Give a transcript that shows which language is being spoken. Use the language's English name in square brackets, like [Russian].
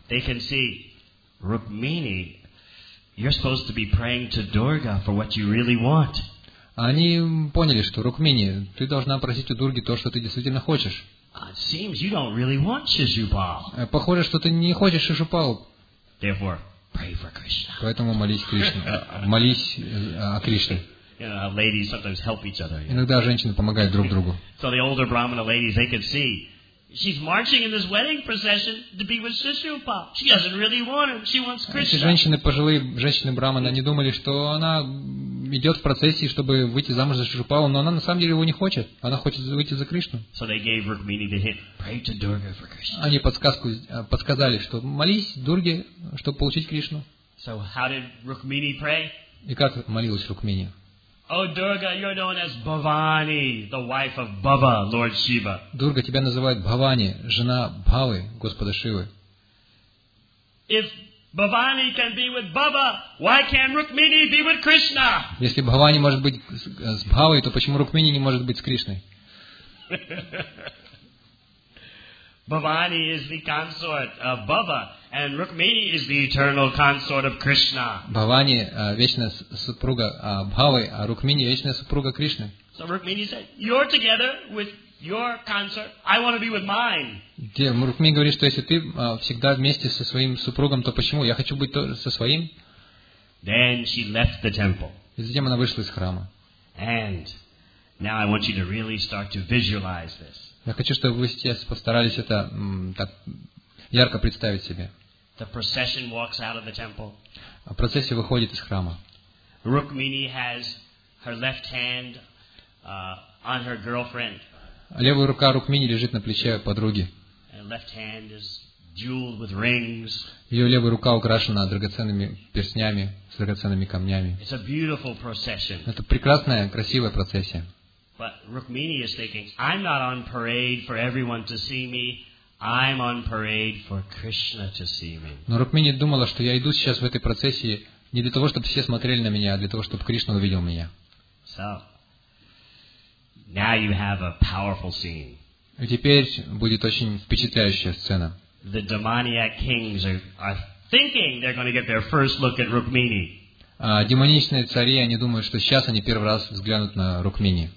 [English] They can see, Rukmini, you're supposed to be praying to Durga for what you really want. [Russian] Они поняли, что Рукмини, ты должна просить у Дурги то, что ты действительно хочешь. [English] It seems you don't really want Shishupal. [Russian] Похоже, что ты не хочешь Шишупал. [English] Therefore, Pray for Krishna. [Russian] Поэтому молись Кришне. Молись о Кришне. [English] You know, ladies sometimes help each other. [Russian] Иногда женщины помогают друг другу. [English] So the older Brahmana ladies, they can see. She's marching in this wedding procession to be with Shishupala. She doesn't really want him. She wants Krishna. [Russian] Эти женщины, пожилые женщины Брахманы, они думали, что она идет в процессии, чтобы выйти замуж за Шишупалу, но она на самом деле его не хочет. Она хочет выйти за Кришну. [English] So they gave Rukmini the hint. Pray to Durga for Krishna. [Russian] Они подсказали, что молись Дурге, чтобы получить Кришну. [English] So how did Rukmini pray? [Russian] И как молилась Рукмини? [English] Oh Durga, you're known as Bhavani, the wife of Bhava, Lord Shiva. [Russian] Дурга, тебя называют Бхавани, жена Бхавы, господа Шивы. [English] If Bhavani can be with Bhava, why can't Rukmini be with Krishna? [Russian] Если Бхавани может быть с Бхавой, то почему Рукмини не может быть с Кришной? [English] Bhavani is the consort of Bhava, and Rukmini is the eternal consort of Krishna. [Russian] Bhavani вечная супруга Бхавы, а Рукмини вечная супруга Кришны. [English] So Rukmini said, "You're together with your consort. I want to be with mine." [Russian] Где Рукмини говорит, что если ты всегда вместе со своим супругом, то почему я хочу быть тоже со своим? [English] Then she left the temple. [Russian] И затем она вышла из храма. [English] And now I want you to really start to visualize this. [Russian] Я хочу, чтобы вы сейчас постарались это так ярко представить себе. [English] The procession walks out of the temple. [Russian] Процессия выходит из храма. [English] Rukmini has her left hand on her girlfriend. [Russian] Левая рука Рукмини лежит на плече подруги. [English] Her left hand is jeweled with rings. [Russian] Ее левая рука украшена драгоценными перстнями, с драгоценными камнями. [English] It's a beautiful procession. [Russian] Это прекрасная, красивая процессия. [English] But Rukmini is thinking, I'm not on parade for everyone to see me. I'm on parade for Krishna to see me. [Russian] Но Рукмини думала, что я иду сейчас в этой процессии не для того, чтобы все смотрели на меня, а для того, чтобы Кришна увидел меня. [English] So, now you have a powerful scene. [Russian] И теперь будет очень впечатляющая сцена. [English] The demoniac kings are thinking they're going to get their first look at Rukmini. [Russian] Демоничные цари, они думают, что сейчас они первый раз взглянут на Рукмини.